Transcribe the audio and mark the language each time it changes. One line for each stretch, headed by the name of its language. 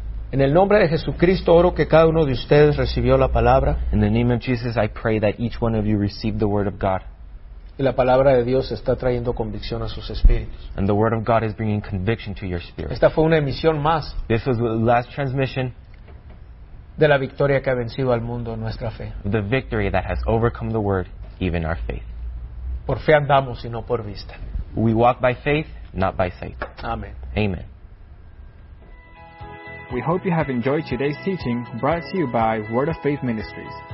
Spanish: En el nombre de Jesucristo oro que cada uno de ustedes recibió la palabra.
English: In the name of Jesus, I pray that each one of you received the word of God.
Spanish: Y la palabra de Dios está trayendo convicción a sus espíritus.
English: And the word of God is bringing conviction to your spirit.
Spanish: Esta fue una emisión más.
English: This was the last transmission.
Spanish: De la victoria que ha vencido al mundo en nuestra fe.
English: The victory that has overcome the world, even our faith.
Spanish: Por fe andamos y no por vista.
English: We walk by faith, not by sight.
Spanish: Amen.
English: Amen. We hope you have enjoyed today's teaching brought to you by Word of Faith Ministries.